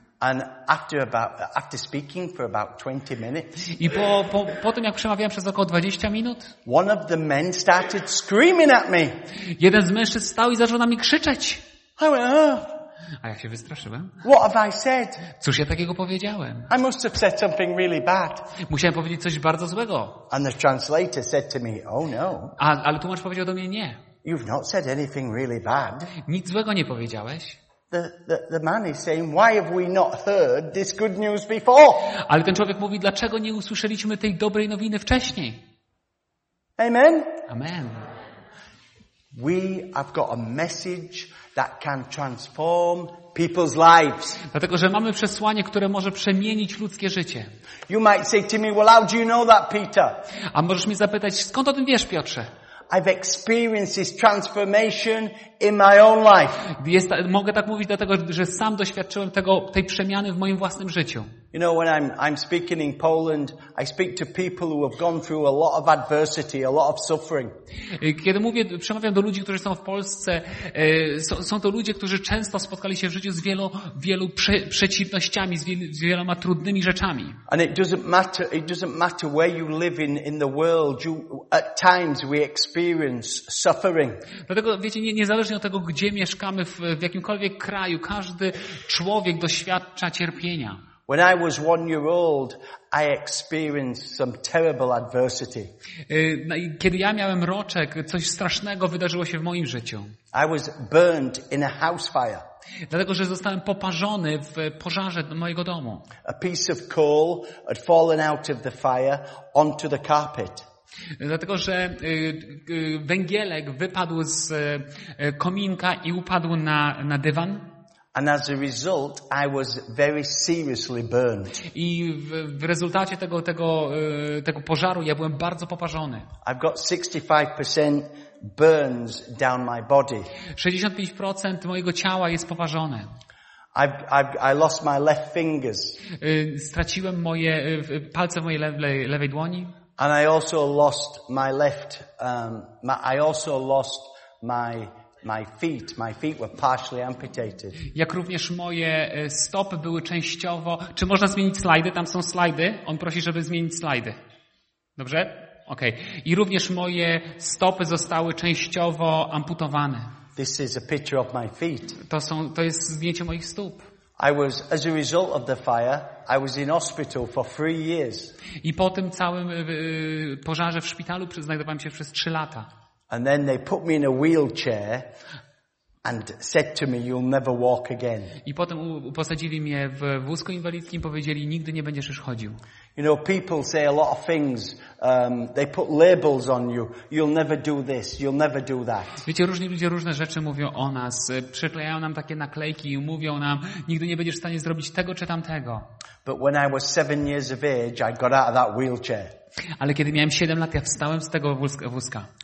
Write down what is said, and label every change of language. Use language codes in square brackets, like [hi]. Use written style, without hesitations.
[en] And after speaking for about 20 minutes, [pl] i po tym, jak przemawiałem przez około 20 minut, [en] one of the men started screaming at me. [pl] Jeden z mężczyzn stał i zaczął na mnie krzyczeć. [en] I went, [pl] A ja się wystraszyłem. [en] What have I said? [pl] Cóż ja takiego powiedziałem? [en] I must have said something really bad. [pl] Musiałem powiedzieć coś bardzo złego. [en] And the translator said to me, oh no. [pl] Ale tłumacz powiedział do mnie, nie. [en] You've not said anything really bad. [pl] Nic złego nie powiedziałeś. [en] The man is saying, why have we not heard this good news before? [pl] Ale ten człowiek mówi, dlaczego nie usłyszeliśmy tej dobrej nowiny wcześniej? [en] Amen. [pl] Amen. [en] We have got a message that can transform people's lives. [pl] Dlatego, że mamy przesłanie, które może przemienić ludzkie życie. [en] You might say to me, well, how do you know that, Peter? [pl] A możesz mi zapytać, skąd o tym wiesz, Piotrze? [en] I've experienced this transformation in my own life. [pl] Mogę tak mówić dlatego, że sam doświadczyłem tej przemiany w moim własnym życiu. [en] You know, when I'm speaking in Poland, I speak to people who have gone through a lot of adversity, a lot of suffering. [pl] Kiedy mówię, przemawiam do ludzi, którzy są w Polsce, są to ludzie, którzy często spotkali się w życiu z wielu przeciwnościami, z wieloma trudnymi rzeczami. [en] And it doesn't matter where you live in the world, you at times we experience suffering. [pl] Dlatego wiecie, niezależnie niezależnie od tego, gdzie mieszkamy, w jakimkolwiek kraju, każdy człowiek doświadcza cierpienia. [en] When I was 1 year old, I experienced some terrible adversity. [pl] Kiedy ja miałem roczek, coś strasznego wydarzyło się w moim życiu. [en] I was burned in a house fire. [pl] Dlatego, że zostałem poparzony w pożarze mojego domu. [en] A piece of coal had fallen out of the fire onto the carpet. [pl] Dlatego, że węgielek wypadł z kominka i upadł na dywan. [en] And as a result, I was very seriously burned. [pl] I w rezultacie tego pożaru ja byłem bardzo poparzony. [en] I've got 65% burns down my body. [pl] 65% mojego ciała jest poparzone. [en] I lost my left fingers. [pl] Straciłem moje palce w mojej lewej dłoni. [en] And I also lost my left. I also lost my feet were partially amputated. [pl] Jak również moje stopy były częściowo. Czy można zmienić slajdy? Tam są slajdy. On prosi, żeby zmienić slajdy. Dobrze? Okej. Okay. I również moje stopy zostały częściowo amputowane. [en] This is a picture of my feet. [pl] To jest zdjęcie moich stóp. [en] I was, as a result of the fire, I was in hospital for 3 years. [pl] I po tym całym pożarze w szpitalu znajdowałem się przez 3 lata. [en] And then they put me in a wheelchair and said to me, you'll never walk again. [pl] I potem posadzili mnie w wózku inwalidzkim, powiedzieli, nigdy nie będziesz już chodził. [en] You know, people say a lot of things. They put labels on you. You'll never do this, you'll never do that. [pl] Wiecie, różni ludzie różne rzeczy mówią o nas. Przyklejają nam takie naklejki i mówią nam, nigdy nie będziesz w stanie zrobić tego czy tamtego. [en] But when I was 7 years of age, I got out of that wheelchair. [pl] Ale kiedy miałem 7 lat, ja wstałem z tego wózka.